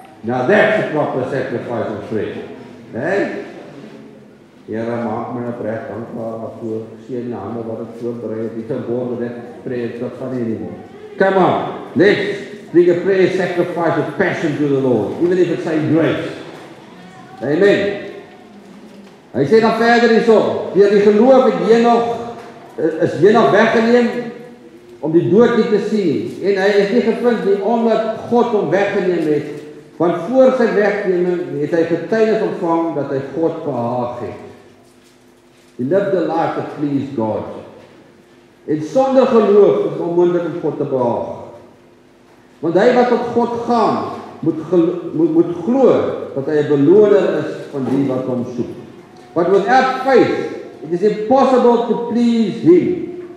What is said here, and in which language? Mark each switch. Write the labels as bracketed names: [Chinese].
[English] Now that's a proper sacrifice of faith. Eh? Here I mark my breath, thank God for seeing the hand of what it's for bread. It's a bore with that prayer, it's not funny anymore. Come on, let's bring a prayer sacrifice of passion to the Lord, even if it's saying grace. Amen. [Afrikaans] Hy sê dan verder hierso, deur die geloof het Henog, is Henog weggeneem om die dood nie te sien. En hy is nie gevind nie, omdat God hom weggeneem het. Want voor sy wegneming het hy getuienis ontvang dat hy God behaag het. [English] He lived a life that pleased God. [Afrikaans] En sonder geloof is onmoontlik om God te behaag. Want hy wat tot God gaan, moet glo dat hy 'n beloner is van die wat hom soek. [English] But without faith, it is impossible to please Him.